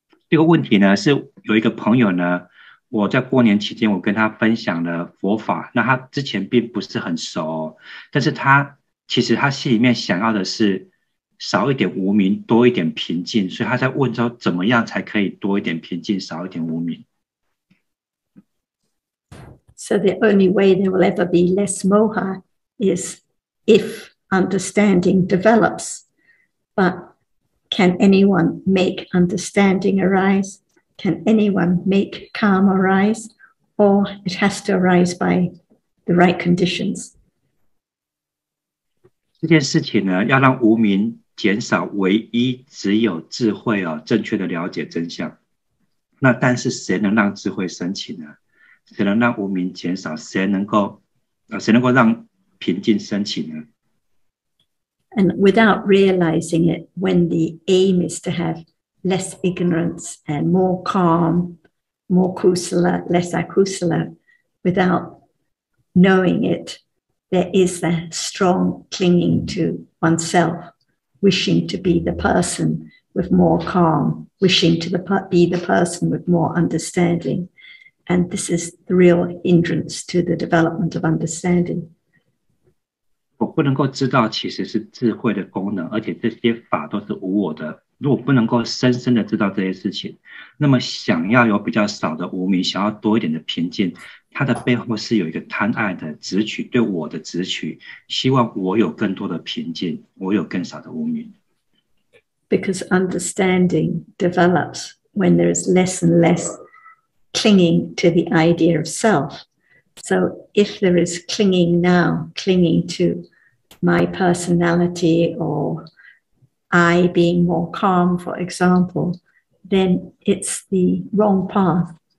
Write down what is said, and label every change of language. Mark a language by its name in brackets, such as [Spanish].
[Chinese] 这个问题呢，是有一个朋友呢，我在过年期间我跟他分享了佛法，那他之前并不是很熟，但是他其实心里面想要的是少一点无明，多一点平静，所以他在问说怎么样才可以多一点平静，少一点无明。 [English] So the only way there will ever be less moha is if understanding develops. But can anyone make understanding arise? Can anyone make calm arise? Or it has to arise by the right conditions? [Chinese] 这件事情呢，要让无明减少，唯一只有智慧哦，正确的了解真相。那但是谁能让智慧升起呢？谁能让无明减少？谁能够让平静升起呢？ [English] And without realizing it, when the aim is to have less ignorance and more calm, more kusala, less akusala, without knowing it, there is that strong clinging to oneself, wishing to be the person with more calm, wishing to be the person with more understanding. And this is the real hindrance to the development of understanding. [Chinese] 我不能够知道其实是智慧的功能, 而且这些法都是无我的。如果不能够深深的知道这些事情, 那么想要有比较少的无明, 想要多一点的平静, 它的背后是有一个贪爱的, 执取, 对我的执取, 希望我有更多的平静, 我有更少的无明。 [English] Because understanding develops when there is less and less clinging to the idea of self. So if there is clinging now, clinging to my personality or I being more calm, for example, then it's the wrong path.